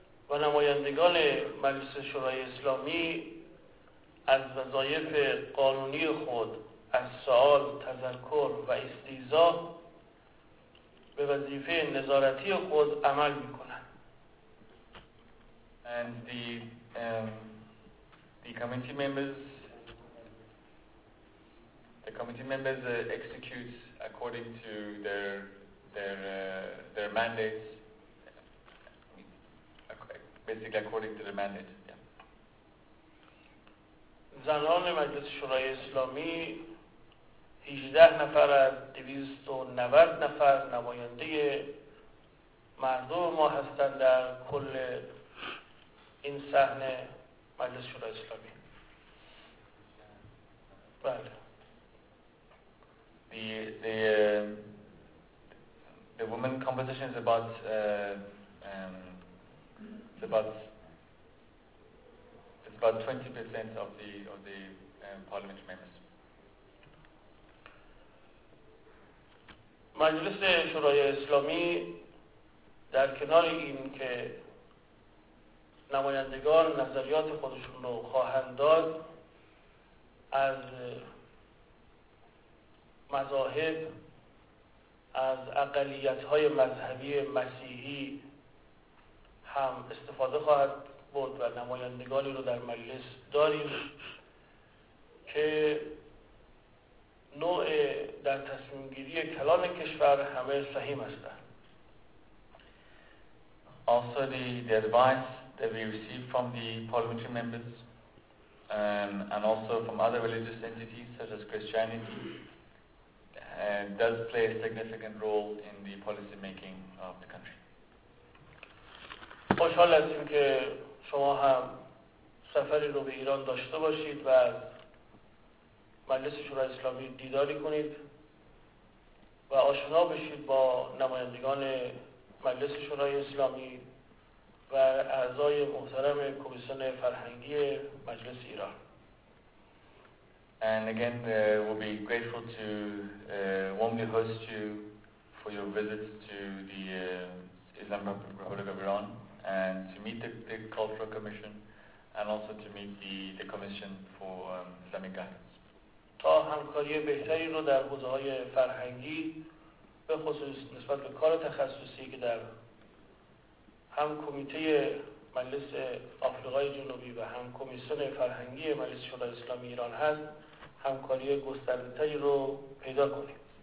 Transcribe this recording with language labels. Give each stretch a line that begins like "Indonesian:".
Persian: و نمایندگان مجلس شورای اسلامی از وظایف قانونی خود از سؤال، تذکر و استیضاح به وظیفه نظارتی خود عمل می‌کنند.
English: And the committee members execute according to their mandates, basically according to the mandate.
Persian: زنان مجلس شورای اسلامی 18 نفر از 290 نفر نماینده مردم ما هستند در کل این صحن مجلس شورای اسلامی. بله.
English: The The woman composition is about it's about 20% of the parliament members.
Persian: مجلس شورای اسلامی در کنار این که نمایندگان نظریات خودشون رو خواهند داد، از مذاهب، از اقلیت‌های مذهبی مسیحی هم استفاده خواهد بود و نمایندگانی رو در مجلس داریم که نوع در تصمیم گیری کلان کشور همه سهیم هستند.
English: Also the advice that we receive from the parliamentary members and also from other religious entities such as Christianity does play a significant role in the policy making of the country.
Persian: خوشحال هستیم که شما هم سفری رو به ایران داشته باشید و مجلس شورای اسلامی دیداری کنید و آشنا بشید با نمایندگان مجلس شورای اسلامی و اعضای محترم کمیسیون فرهنگی مجلس ایران.
English: And again, we'll be grateful to warmly host you for your visit to the Islamic Republic of Iran and to meet the Cultural Commission and also to meet the Commission for Islamic Guidance.
Persian: تا همکاری بهتری رو در حوزه‌های فرهنگی به خصوص نسبت به کار تخصصی که در هم کمیته مجلس آفریقای جنوبی و هم کمیسیون فرهنگی مجلس شورای اسلامی ایران هست، همکاری گسترده‌تری رو پیدا کنیم.